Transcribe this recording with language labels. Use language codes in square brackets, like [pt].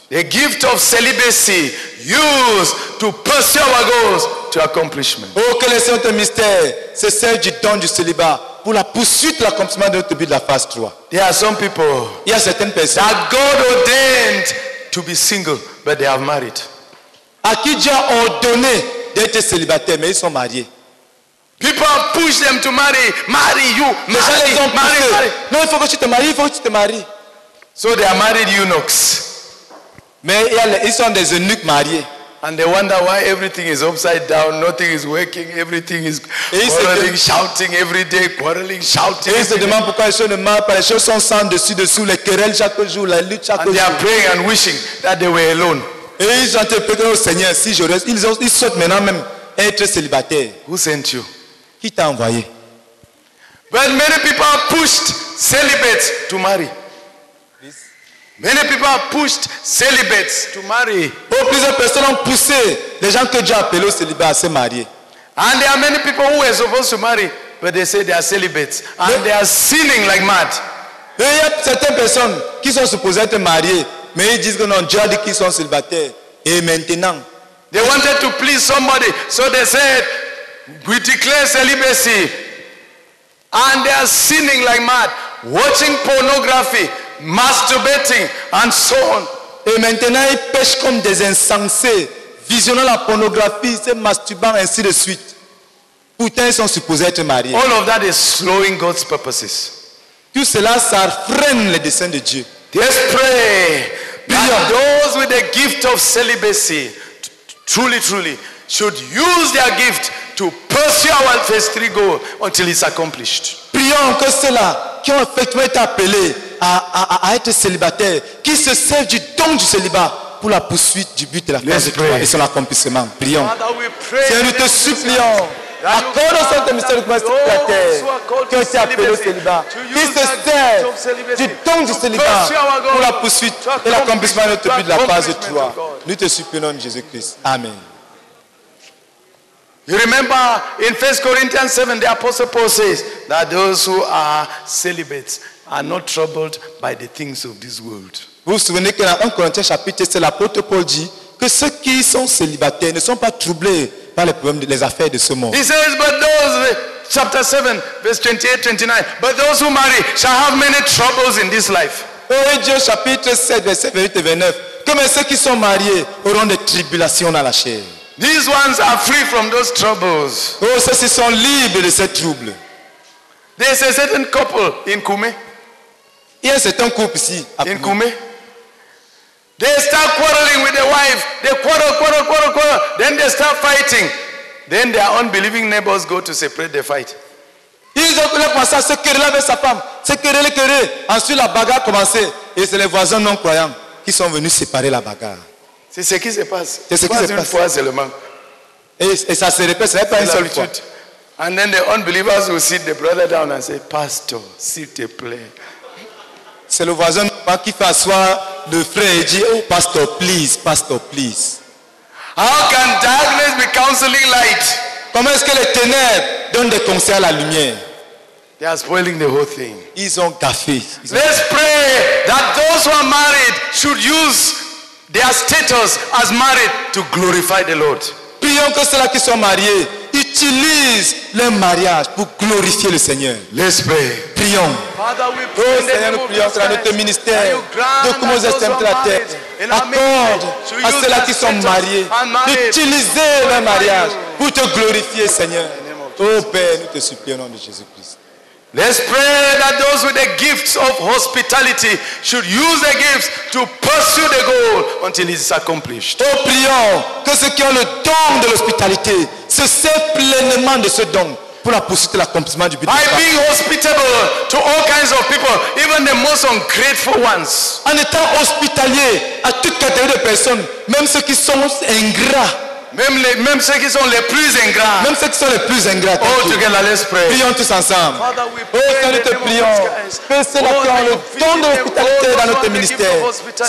[en] The gift of celibacy used to pursue our goals to accomplishment. [fr] Oh, que le Saint Mystère se serve du don du célibat pour la poursuite, l'accomplissement de notre but de la phase 3. [en] There are some people. [fr] Il y a certaines personnes. [en] That God ordained to be single, but they have married. [fr] À qui Dieu a ordonné d'être célibataire, mais ils sont mariés. [en] People have pushed them to marry. Marry you. [fr] Les [en] marry, [fr] gens les ont [en] marry, marry. [fr] Non, il faut que tu te maries, il faut que tu te maries. [en] So they are married eunuchs. [fr] Mais ils sont des eunuques mariés. [en] And they wonder why everything is upside down, nothing is working, everything is quarreling, shouting every day, quarreling, shouting. [fr] Et ils se demandent pourquoi les choses ne marchent pas, les choses sont sans dessus dessous, les querelles chaque jour, la lutte chaque jour. [en] And they are praying and wishing that they were alone. [fr] Et ils ont prié au Seigneur, si je reste, ils souhaitent maintenant même être célibataires. [en] Who sent you? [fr] Qui t'a envoyé? [en] But many people have pushed celibates to marry. Many people have pushed celibates to marry. [fr] Oh, plusieurs personnes ont poussé les gens que Dieu a appelés au célibat à se marier. [en] And there are many people who are supposed to marry, but they say they are celibates. And they are sinning like mad. [fr] Il y a certaines personnes qui sont supposées être mariées, mais ils disent que non, Dieu a dit qu'ils sont célibataires. Et maintenant, [en] they wanted to please somebody, so they said, we declare celibacy. And they are sinning like mad, watching pornography, masturbating and so on. [fr] Et maintenant ils pêchent comme des insensés, visionnant la pornographie, se masturbant ainsi de suite. Pourtant ils sont supposés être mariés. [en] All of that is slowing God's purposes. [fr] Tout cela ça freine les desseins de Dieu. [en] Let's pray that those with the gift of celibacy truly should use their gift to pursue our first 3 goals until it's accomplished. [fr] Prions que ceux-là qui ont effectivement été appelés à être célibataires, qui se servent du don du célibat pour la poursuite du but de la phase 3 et son accomplissement. Prions. [en] Father, we pray. [fr] Seigneur, nous te supplions Accorde-nous ce mystère que tu as appelé célibat. Fils de terre, tu donnes du célibat pour la poursuite et l'accomplissement de notre but de la part de toi. Nous te supplions, Jésus-Christ. Amen. [en] You remember in 1 Corinthians 7, the Apostle Paul says that those who are celibates are not troubled by the things of this world. [fr] Vous vous souvenez que dans 1 Corinthiens chapitre 7, l'apôtre Paul dit que ceux qui sont célibataires ne sont pas troublés par les problèmes, les affaires de ce monde. [en] He says, but those, chapter 7, verse 28, 29, but those who marry shall have many troubles in this life. [fr] Oh, Dieu, chapitre 7, verset 28 et 29, que même ceux qui sont mariés auront des tribulations dans la chair. [en] These ones are free from those troubles. [fr] Oh, ceux-ci sont libres de ces troubles. [en] There's a certain couple in Kume. [fr] Il y a un certain couple ici. [en] In Kume. They start quarreling with the wife. They quarrel. Then they start fighting. Then their unbelieving neighbors go to separate the fight. [fr] Ils ont commencé à se quereller avec sa femme. Se quereller, quereller. Ensuite, la bagarre a commencé. Et c'est les voisins non-croyants qui sont venus séparer la bagarre. C'est ce qui se passe. C'est ce qui se passe. Une fois seulement. Et ça se répète, ce n'est pas une seule fois. [en] And then the unbelievers will sit the brother down and say, Pastor, [fr] s'il te plaît. C'est le voisin qui fait asseoir le frère et dit, oh, Pastor, [en] please. How can darkness be counseling light? [fr] Comment est-ce que les ténèbres donnent des conseils à la lumière? [en] They are spoiling the whole thing. [fr] Ils ont gaffé. [en] Let's pray that those who are married should use their status as married to glorify the Lord. [fr] Prions que ceux-là qui sont mariés utilisent leur mariage pour glorifier le Seigneur. [en] Let's pray. [fr] Prions. [en] Father, we pray. [fr] Oh Seigneur, nous prions sur notre ministère. Donc, comment nous estimons la tête? Accorde à ceux-là qui sont mariés d'utiliser leur mariage pour te glorifier, Seigneur. Oh Père, nous te supplions au nom de Jésus-Christ. [en] Let's pray that those with the gifts of hospitality should use the gifts to pursue the goal until it is accomplished. [fr] Oh, prions que ceux qui ont le don de l'hospitalité se servent pleinement de ce don pour la poursuite et l'accomplissement du but. [en] By being hospitable to all kinds of people, even the most ungrateful ones. [fr] En étant hospitalier à toutes catégories de personnes, même ceux qui sont ingrats. Même ceux qui sont les plus ingrats. Même ceux qui sont les plus ingrats. [en] Oh, together, let's pray. [fr] Prions tous ensemble. [en] Father, we pray. [fr] Oh, Seigneur, te prions. Fais cela qui a le don de l'hospitalité dans notre ministère.